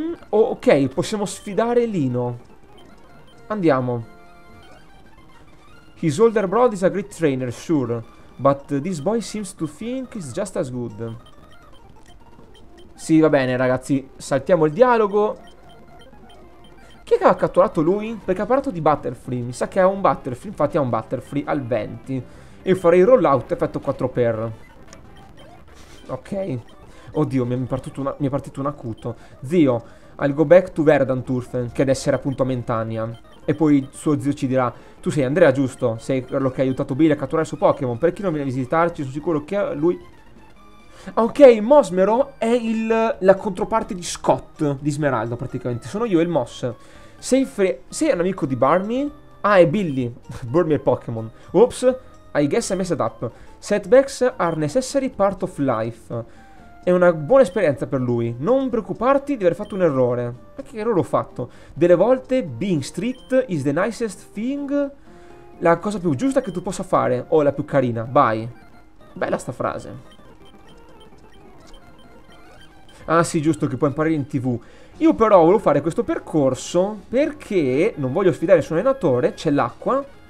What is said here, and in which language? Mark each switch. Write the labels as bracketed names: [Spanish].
[Italian] Oh, ok, possiamo sfidare Lino. Andiamo. [English] His older brother is a great trainer, sure. But this boy seems to think he's just as good. [Italian] Sì, va bene, ragazzi. Saltiamo il dialogo. Chi è che ha catturato lui? Perché ha parlato di Butterfree. Mi sa che ha un Butterfree. Infatti ha un Butterfree al 20. E farei rollout effetto 4x. Ok. Oddio, mi è partito un acuto. Zio, [English] I'll go back to Verdanturf. [Italian] Che adesso era appunto a Mentania. E poi suo zio ci dirà: tu sei Andrea, giusto? Sei quello che ha aiutato Billy a catturare il suo Pokémon. Perché non viene a visitarci? Sono sicuro che lui. Ok, Mosmero è il, la controparte di Scott, di Smeraldo praticamente. Sono io e il Moss. Sei un amico di Barmy? Ah, è Billy. Barmy è Pokémon. [English] Oops, I guess I messed up. Setbacks are necessary part of life. [Italian] È una buona esperienza per lui. Non preoccuparti di aver fatto un errore. Ma che errore ho fatto? Delle volte [English] being strict is the nicest thing. [Italian] La cosa più giusta che tu possa fare. O la più carina. [English] Bye. [Italian] Bella sta frase. Ah sì, giusto, che puoi imparare in TV. Io però volevo fare questo percorso perché non voglio sfidare il suo allenatore. C'è l'acqua.